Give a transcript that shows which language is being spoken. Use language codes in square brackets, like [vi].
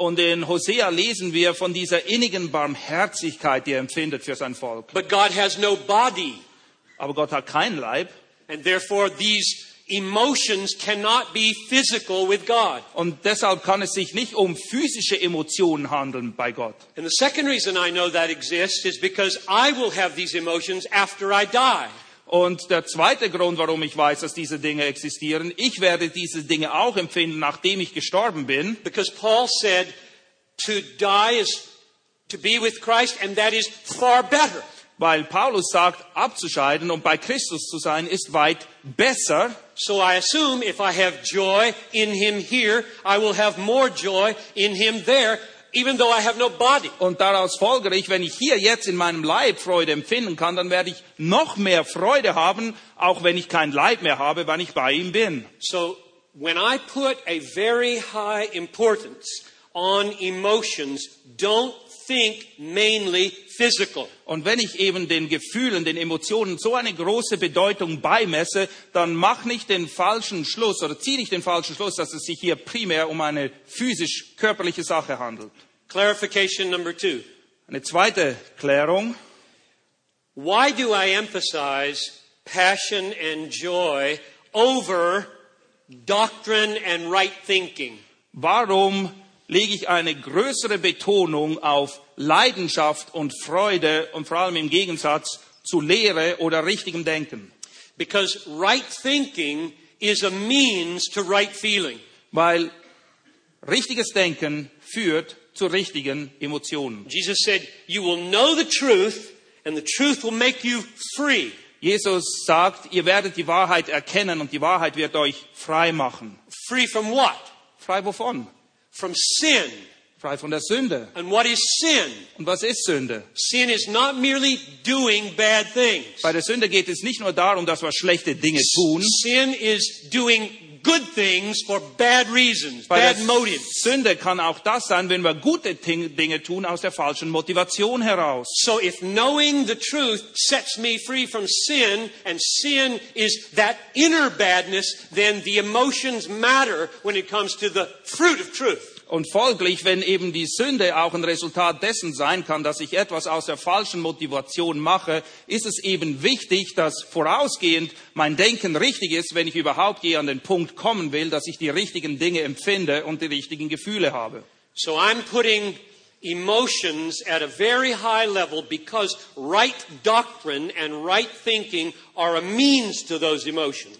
[de] Und in Hosea lesen wir von dieser innigen Barmherzigkeit, die er empfindet für sein Volk. [en] But God has no body. [de] Aber Gott hat keinen Leib. [en] And therefore these emotions cannot be physical with God. [de] Und deshalb kann es sich nicht um physische Emotionen handeln bei Gott. [en] And the second reason I know that exists is because I will have these emotions after I die. [de] Und der zweite Grund, warum ich weiß, dass diese Dinge existieren, ich werde diese Dinge auch empfinden, nachdem ich gestorben bin. [en] Because Paul said, to die is to be with Christ, and that is far better. [de] Weil Paulus sagt, abzuscheiden und bei Christus zu sein, ist weit besser. [en] So I assume if I have joy in him here, I will have more joy in him there, even though I have no body. [de] Und daraus folgere ich, wenn ich hier jetzt in meinem Leib Freude empfinden kann, dann werde ich noch mehr Freude haben, auch wenn ich kein Leib mehr habe, wenn ich bei ihm bin. [en] So when I put a very high importance on emotions, don't think mainly physical. [de] Und wenn ich eben den Gefühlen, den Emotionen so eine große Bedeutung beimesse, dann mach nicht den falschen Schluss oder zieh nicht den falschen Schluss, dass es sich hier primär um eine physisch-körperliche Sache handelt. [en] Clarification number two. [de] Eine zweite Klärung. [en] Why do I emphasize passion and joy over doctrine and right thinking? [de] Warum lege ich eine größere Betonung auf Leidenschaft und Freude und vor allem im Gegensatz zu Lehre oder richtigem Denken? [en] Because right thinking is a means to right feeling. [de] Weil richtiges Denken führt zu richtigen Emotionen. [en] Jesus said, you will know the truth and the truth will make you free. [de] Jesus sagt, ihr werdet die Wahrheit erkennen und die Wahrheit wird euch frei machen. [en] Free from what? [de] Frei wovon? [en] From sin. [de] Frei von der Sünde. [en] And what is sin? [de] Und was ist Sünde? [en] Sin is not merely doing bad things. [de] Bei der Sünde geht es nicht nur darum, dass wir schlechte Dinge tun. [en] Sin is doing good things for bad reasons, [de] bei [en] bad motives. [de] Sünde kann auch das sein, wenn wir gute Dinge tun aus der falschen Motivation heraus. [en] So if knowing the truth sets me free from sin, and sin is that inner badness, then the emotions matter when it comes to the fruit of truth. [de] Und folglich, wenn eben die Sünde auch ein Resultat dessen sein kann, dass ich etwas aus der falschen Motivation mache, ist es eben wichtig, dass vorausgehend mein Denken richtig ist, wenn ich überhaupt je an den Punkt kommen will, dass ich die richtigen Dinge empfinde und die richtigen Gefühle habe. [en] So I'm putting emotions at a very high level because right doctrine and right thinking are a means to those emotions.